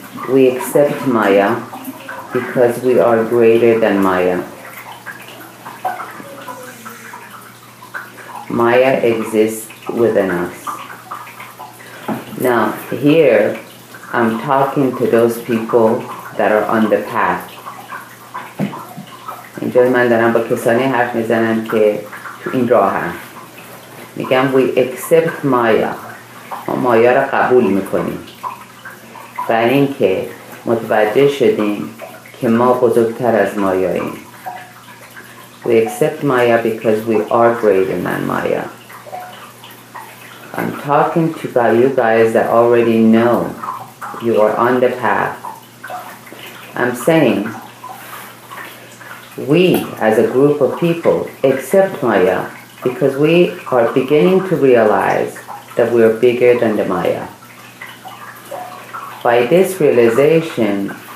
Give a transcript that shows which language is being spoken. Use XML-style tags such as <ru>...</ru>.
<en>We accept Maya because we are greater than Maya. Maya exists within us. Now, here, I'm talking to those people that are on the path.</en> <fa>اینجا من دارم با کسانی حرف میزنم که تو این راه هم. میگم</fa> <en>we accept Maya.</en> <fa>ما مایا را قبول میکنیم. برای این که متوجه شدیم که ما بزرگتر از مایاییم.</fa> <en>We accept Maya because we are greater than Maya. I'm talking to you guys that already know you are on the path. I'm saying we as a group of people accept Maya because we are beginning to realize that we are bigger than the Maya. By this realization,</en>